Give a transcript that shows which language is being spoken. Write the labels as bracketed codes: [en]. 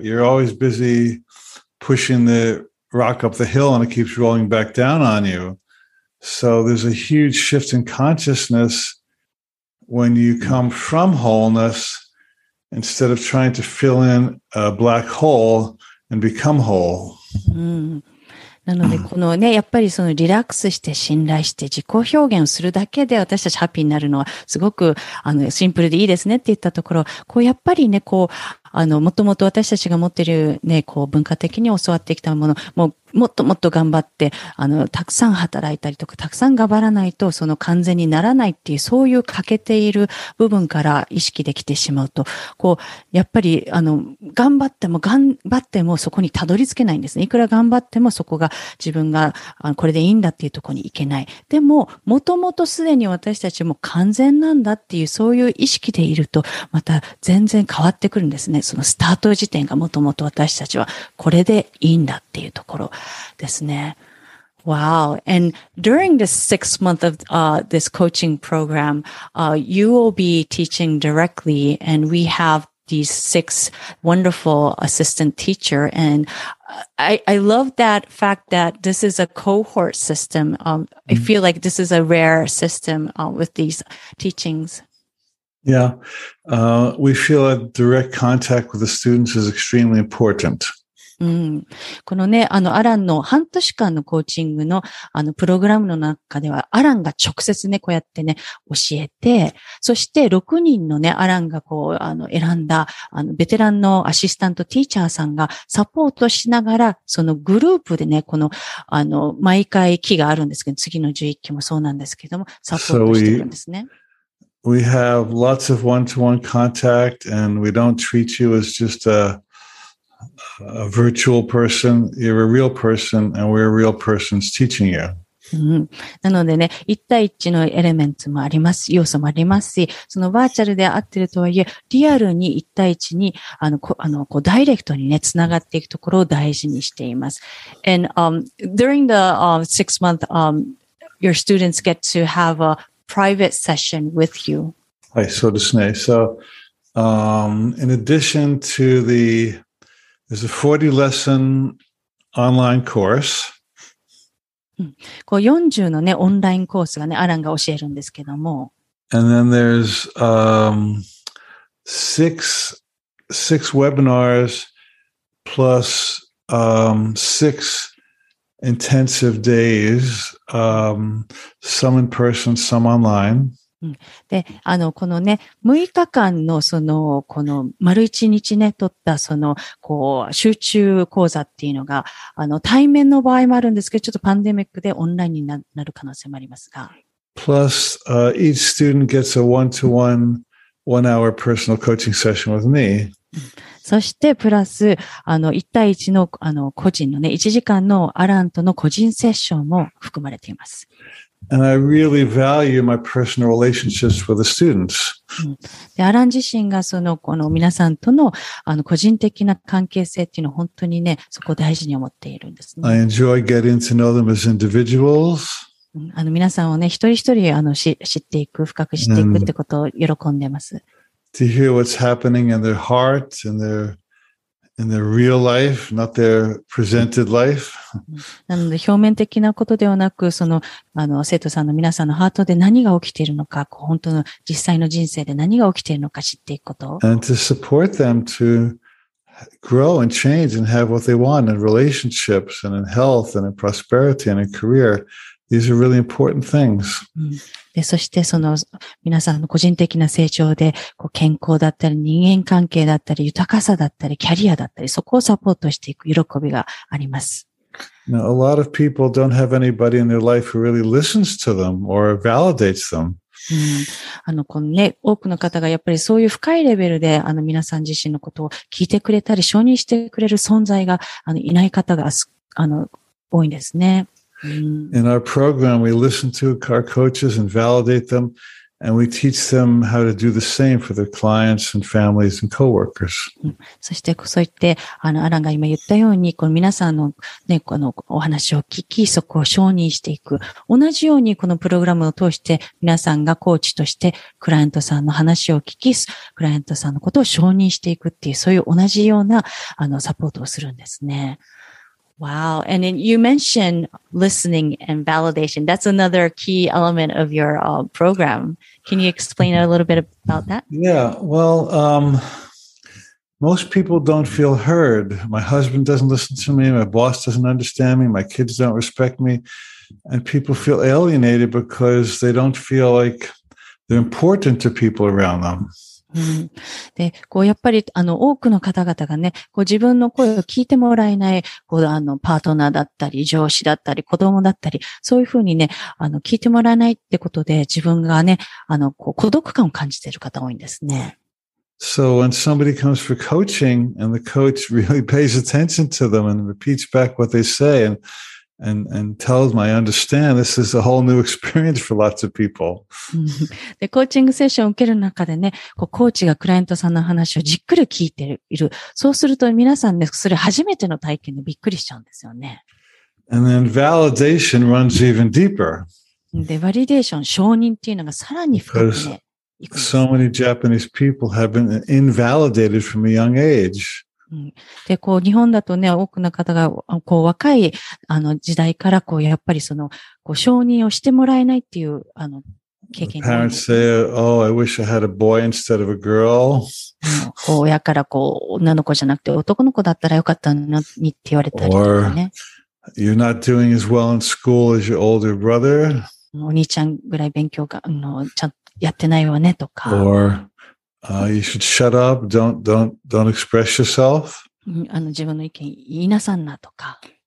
[en] You're always busy pushing the rock up the hill and it keeps rolling back down on you. So there's a huge shift in consciousness when you come from wholeness instead of trying to fill in a black hole and become whole. [ja] なのでこのね、やっぱりそのリラックスして信頼して自己表現をするだけで私たちハッピーになるのはすごくシンプルでいいですねって言ったところ、こうやっぱりね、こう、もともと私たちが持っているね、こう文化的に教わってきたもの、もっともっと頑張って、たくさん働いたりとか、たくさん頑張らないと、その完全にならないっていう、そういう欠けている部分から意識できてしまうと、こう、やっぱり、頑張ってもそこにたどり着けないんですね。いくら頑張ってもそこが自分が、これでいいんだっていうところに行けない。でも、もともとすでに私たちも完全なんだっていう、そういう意識でいると、また全然変わってくるんですね。そのスタート時点がもともと私たちは、これでいいんだっていうところ。ですね。 [en] Wow. And during the 6 month of this coaching program, you will be teaching directly, and we have these 6 wonderful assistant teacher. And I love that fact that this is a cohort system. I feel like this is a rare system with these teachings. Yeah. We feel that direct contact with the students is extremely important. [ja] うん、このね、アランの半年間のコーチングの、プログラムの中では、アランが直接ね、こうやってね、教えて、そして6人のね、アランがこう、選んだ、ベテランのアシスタントティーチャーさんがサポートしながら、そのグループでね、この、毎回期があるんですけど、次の11期もそうなんですけども、サポートしてるんですね。 [en] So、we have lots of one-to-one contact, and we don't treat you as just a virtual person, you're a real person, and we're a real person's teaching you. [ja] なのでね、一対一のエレメンツもあります、要素もありますし、そのバーチャルで合ってるとはいえ、リアルに一対一に、こうダイレクトにね、つながっていくところを大事にしています。 [en] And, during the, six month, your students get to have a private session with you. [ja] はい、そうですね。 [en] So, in addition to the,There's a 40 lesson online course. [ja] こう40のね、オンラインコースがね、アランが教えるんですけども。 [en] And then there's, six webinars plus, six intensive days, some in person, some online. [ja] で、このね、6日間のその、この丸1日ね、取ったその、こう、集中講座っていうのが、対面の場合もあるんですけど、ちょっとパンデミックでオンラインになる可能性もありますが。 [en] Plus, each student gets a one-to-one, one-hour personal coaching session with me. [ja] そして、プラス、1対1の、個人のね、1時間のアランとの個人セッションも含まれています。 [en] And I really value my personal relationships with the students. [ja] で、アラン自身がその、この皆さんとの、個人的な関係性っていうのを本当にね、そこを大事に思っているんですね。 [en] I enjoy getting to know them as individuals. [ja] 皆さんをね、一人一人、知っていく、深く知っていくってことを喜んでます。 [en] To hear what's happening in their heart, in their real life, not their presented life. [ja] なので表面的なことではなく、その、生徒さんの皆さんのハートで何が起きているのか、こう本当の実際の人生で何が起きているのか知っていくこと。 [en] And to support them to grow and change and have what they want in relationships and in health and in prosperity and in career. These are really important things. [ja] で、そしてその皆さんの個人的な成長で、こう健康だったり、人間関係だったり、豊かさだったり、キャリアだったり、そこをサポートしていく喜びがあります。 [en] Now, a lot of people don't have anybody in their life who really listens to them or validates them. [ja] このね、多くの方がやっぱりそういう深いレベルで、皆さん自身のことを聞いてくれたり、承認してくれる存在が、いない方が、多いんですね。 [en] In our program, we listen to our coaches and validate them, and we teach them how to do the same for their clients and families and coworkers. [ja] そして、そう言って、アランが今言ったように、この皆さんのね、このお話を聞き、そこを承認していく。同じように、このプログラムを通して、皆さんがコーチとして、クライアントさんの話を聞き、クライアントさんのことを承認していくっていう、そういう同じような、サポートをするんですね。 [en] Wow. And then you mentioned listening and validation. That's another key element of your program. Can you explain a little bit about that? Yeah. Well, Most people don't feel heard. My husband doesn't listen to me. My boss doesn't understand me. My kids don't respect me. And people feel alienated because they don't feel like they're important to people around them. [ja] で、こう、やっぱり、多くの方々がね、こう、自分の声を聞いてもらえない、こう、パートナーだったり、上司だったり、子供だったり、そういうふうにね、聞いてもらえないってことで、自分がね、こう、孤独感を感じている方多いんですね。 [en] So when somebody comes for coaching and the coach really pays attention to them and repeats back what they say and tells them, I understand, this is a whole new experience for lots of people. [ja] で、コーチングセッションを受ける中でね、こう、コーチがクライアントさんの話をじっくり聞いている。そうすると皆さんね、それ初めての体験でびっくりしちゃうんですよね。 [en] And then validation runs even deeper. [ja] で、バリデーション、承認っていうのがさらに深くね。 [en] So many Japanese people have been invalidated from a young age. [ja] で、こう、日本だとね、多くの方が、こう、若い、時代から、こう、やっぱりその、こう、承認をしてもらえないっていう、経験。 [en] Parents say, oh, I wish I had a boy instead of a girl. [ja] 親から、こう、女の子じゃなくて、男の子だったらよかったのにって言われたりとかね。 [en] You're not doing as well in school as your older brother. [ja] お兄ちゃんぐらい勉強が、ちゃんと、やってないわねとか。 [en] You should shut up. Don't express yourself. [ja] 自分の意見言いなさんなとか。